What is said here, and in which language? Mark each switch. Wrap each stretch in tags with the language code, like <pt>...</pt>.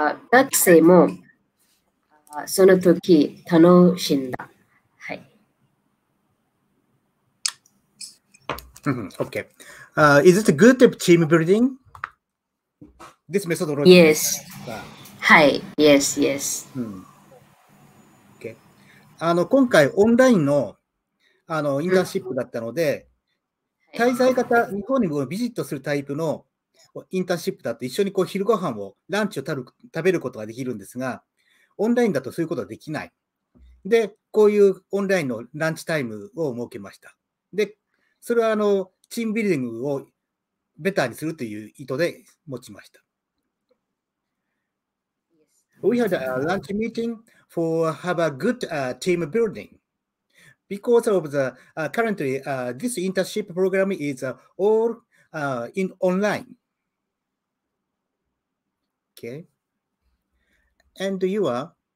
<ja>学生もその時楽しんだ。はい。</ja> <en>OK、is it a good team building? This methodology? Yes. はい。Yes, yes.、</en> <ja>うん、OK。今回オンラインの、インターンシップだったので、うん、滞在型、日本にもビジットするタイプのインターンシップだと一緒にこう昼ご飯を、ランチを食べることができるんですが、オンラインだとそういうことはできない。で、こういうオンラインのランチタイムを設けました。で、それはチームビルディングをベターにするという意図で持ちました。</ja> <en>We had a lunch meeting for have a good team building. Because of the currently this internship program is all in online. Okay. And you are?</en>